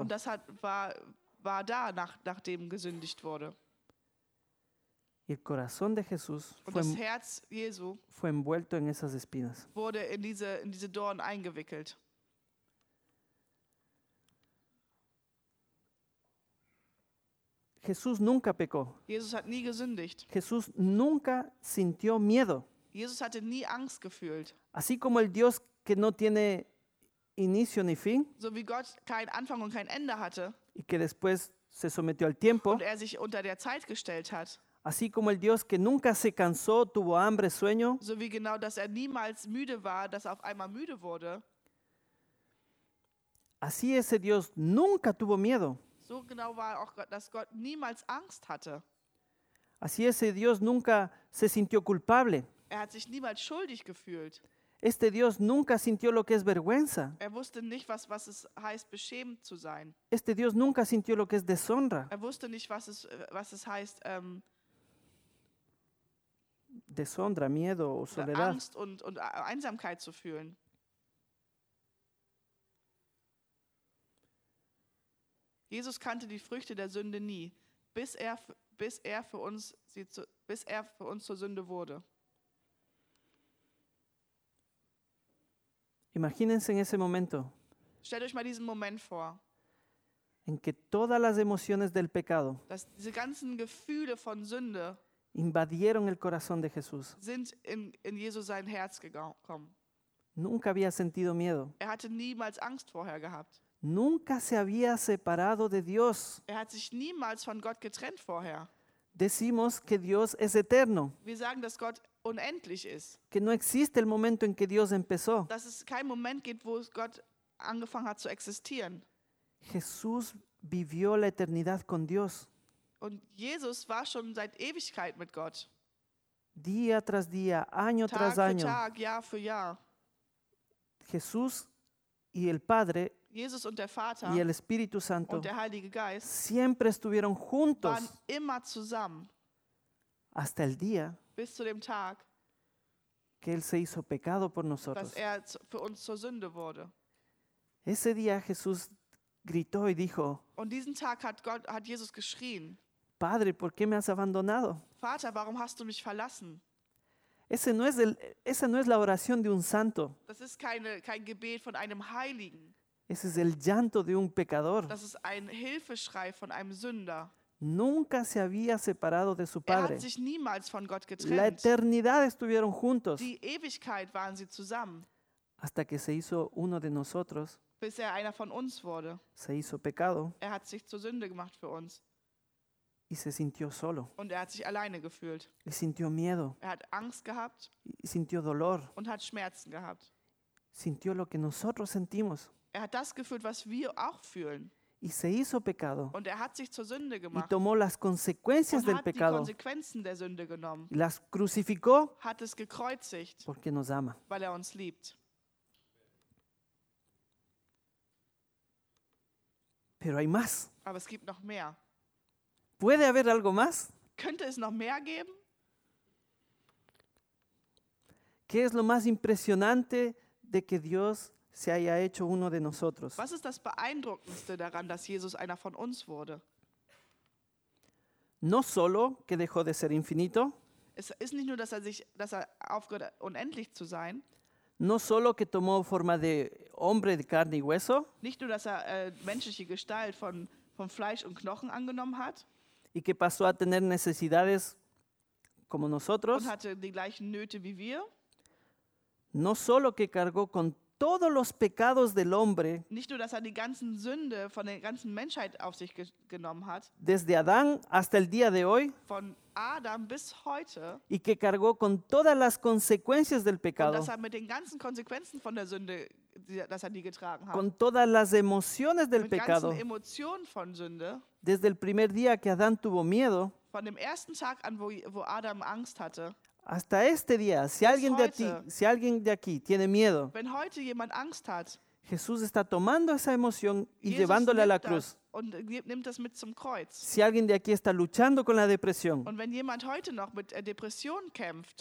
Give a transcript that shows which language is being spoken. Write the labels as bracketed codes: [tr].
[de] Und das war da, nachdem gesündigt wurde. [es] Y el corazón de Jesús fue envuelto en esas espinas. [de] Wurde in diese Dornen eingewickelt. [es] Jesús nunca pecó. [de] Jesus hat nie gesündigt. [es] Jesús nunca sintió miedo. [de] Jesus hatte nie Angst gefühlt. [es] Así como el Dios que no tiene inicio ni fin, [de] so wie Gott kein Anfang und kein Ende hatte, [es] y que después se sometió al tiempo, [de] und er sich unter der Zeit gestellt hat, [es] así como el Dios que nunca se cansó, tuvo hambre, sueño, [de] so wie genau, dass er niemals müde war, dass er auf einmal müde wurde, [es] así ese Dios nunca tuvo miedo. [de] So genau war auch Gott, dass Gott niemals Angst hatte. [es] Así ese Dios nunca se sintió culpable. [de] Er hat sich niemals schuldig gefühlt. [es] Este Dios nunca sintió lo que es vergüenza. [de] Er wusste nicht, was es heißt, beschämt zu sein. [es] Este Dios nunca sintió lo que es deshonra. [de] Er wusste nicht, was es heißt, [es] deshonra, miedo o soledad. [de] Angst und Einsamkeit zu fühlen. Jesus kannte die Früchte der Sünde nie, bis er für uns zur Sünde wurde. [es] Imagínense en ese momento. [de] Stellt euch mal diesen Moment vor. [es] En que todas las emociones del pecado, [de] dass diese ganzen Gefühle von Sünde, [es] invadieron el corazón de Jesús. [de] Sind in Jesus sein Herz gekommen. [es] Nunca había sentido miedo. [de] Er hatte niemals Angst vorher gehabt. [es] Nunca se había separado de Dios. [de] Er hat sich niemals von Gott getrennt vorher. [es] Decimos que Dios es eterno. [de] Wir sagen, dass Gott unendlich ist. [es] Que no existe el momento en que Dios empezó. [de] Dass es keinen Moment gibt, wo Gott angefangen hat zu existieren. [es] Jesús vivió la eternidad con Dios. [de] Und Jesus war schon seit Ewigkeit mit Gott. [es] Día tras día, año [de] Tag [es] tras año. [de] Tag für Tag, Jahr für Jahr. [es] Jesús y el Padre, [de] Jesus und der Vater [es] y el Espíritu Santo, [de] und der Heilige Geist, [es] siempre estuvieron juntos, [de] waren immer zusammen, [es] hasta el día, [de] bis zu dem Tag, [es] que él se hizo pecado por nosotros, [de] dass er für uns zur Sünde wurde. [es] Ese día Jesús gritó y dijo, [de] und diesen Tag hat Jesus geschrien, [es] Padre, ¿por qué me has abandonado? [de] Vater, warum hast du mich verlassen? [es] Esa no es la oración de un santo. [de] Das ist kein Gebet von einem Heiligen. [es] Ese es el llanto de un pecador. [de] Das ist ein Hilfeschrei von einem Sünder. [es] Nunca se había separado de su padre. [de] Er hat sich niemals von Gott getrennt. [es] La eternidad estuvieron juntos. [de] Die Ewigkeit waren sie zusammen. [es] Hasta que se hizo uno de nosotros. [de] Bis er einer von uns wurde. [es] Se hizo pecado. [de] Er hat sich zur Sünde gemacht für uns. [es] Y se sintió solo. [de] Und er hat sich alleine gefühlt. [es] Y sintió miedo. [de] Er hat Angst gehabt. [es] Y sintió dolor. [de] Und hat Schmerzen gehabt. [es] Sintió lo que nosotros sentimos. [de] Er hat das gefühlt, was wir auch fühlen. [es] Y se hizo pecado. [de] Und er hat sich zur Sünde gemacht. [es] Y tomó las consecuencias del pecado. [de] Und hat die Konsequenzen der Sünde genommen. [es] Y las crucificó. [de] Hat es gekreuzigt. [es] Porque nos ama. [de] Weil er uns liebt. [es] Pero hay más. [de] Aber es gibt noch mehr. [es] ¿Puede haber algo más? [de] Könnte es noch mehr geben? [es] ¿Qué es lo más impresionante de que Dios se haya hecho uno de nosotros? [de] Was ist das Beeindruckendste daran, dass Jesus einer von uns wurde? [es] No solo que dejó de ser infinito. [de] Es ist nicht nur, dass er aufgehört hat, unendlich zu sein. [es] No solo que tomó forma de hombre de carne y hueso. [de] Nicht nur, dass er menschliche Gestalt von Fleisch und Knochen angenommen hat. [es] Y que pasó a tener necesidades como nosotros. [de] Und hatte die gleichen Nöte wie wir. [es] No solo que cargó con todos los pecados del hombre. [de] Nicht nur, dass er die ganzen Sünde von der ganzen Menschheit auf sich genommen hat. [es] Desde Adán hasta el día de hoy. [de] Von Adam bis heute. [es] Y que cargó con todas las consecuencias del pecado. [de] Und dass er mit den ganzen Konsequenzen von der Sünde, dass er die getragen hat. [es] Con todas las emociones del pecado. [de] Mit ganzen Emotionen von Sünde. [es] Desde el primer día que Adán tuvo miedo. [de] Von dem ersten Tag an, wo Adam Angst hatte. [es] Hasta este día, si alguien de aquí tiene miedo, [de] wenn heute jemand Angst hat, [es] Jesús está tomando esa emoción y llevándola a la cruz. [de] Und nimmt das mit zum Kreuz. [es] Si alguien de aquí está luchando con la depresión, [de] und wenn jemand heute noch mit Depression kämpft,